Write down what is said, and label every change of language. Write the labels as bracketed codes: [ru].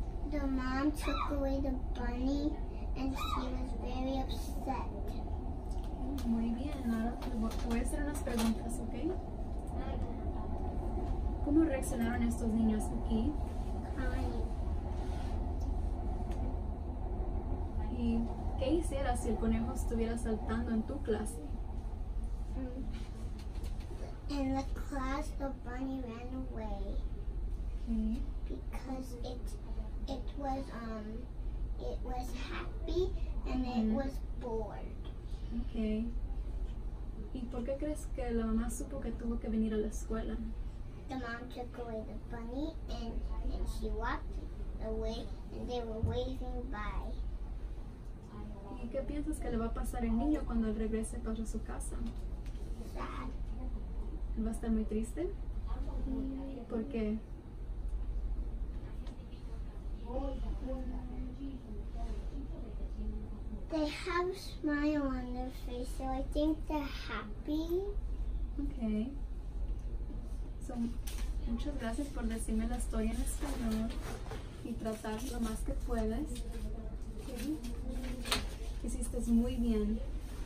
[en] The mom took away the bunny, and she was very upset. [es] Muy bien, ahora voy a hacer unas preguntas, ¿ok? ¿Cómo reaccionaron estos niños aquí? ¿Y qué hicieras si el conejo estuviera saltando en tu clase? [en] In the class, the bunny ran away. Okay. Because it was happy and it was bored. Okay. [es] ¿Y por qué crees que la mamá supo que tuvo que venir a la escuela? [en] The mom took away the bunny and she walked away and they were waving by. [es] ¿Y qué piensas que le va a pasar al niño cuando él regrese para su casa? [en] Sad. [es] ¿Va a estar muy triste? ¿Por qué? [en] They have a smile on their face, so I think they're happy. Okay. [es] So, muchas gracias por decirme la historia en español y tratar lo más que puedes. Okay. Hiciste muy bien.